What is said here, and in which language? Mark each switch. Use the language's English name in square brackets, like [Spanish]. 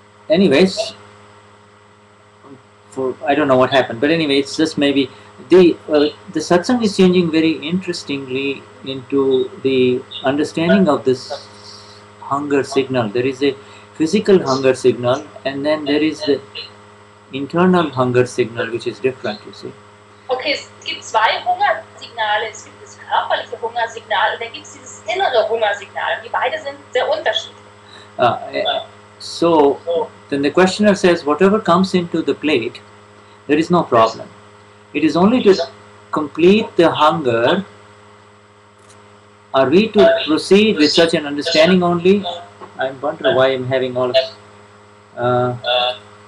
[English] Anyways, I don't know what happened, but anyway, it's just maybe the satsang is changing very interestingly into the understanding of this hunger signal. There is a physical hunger signal, and then there is the internal hunger signal, which is different, you see. [German] Okay, es gibt zwei Hungersignale. Hungersignal ist, gibt es körperliche Hungersignal und dann gibt es dieses innere Hungersignal. Und die beide sind sehr unterschiedlich. [English] So, then the questioner says, whatever comes into the plate, there is no problem. It is only to complete the hunger. Are we to proceed with such an understanding only? I wonder why I'm having all of this.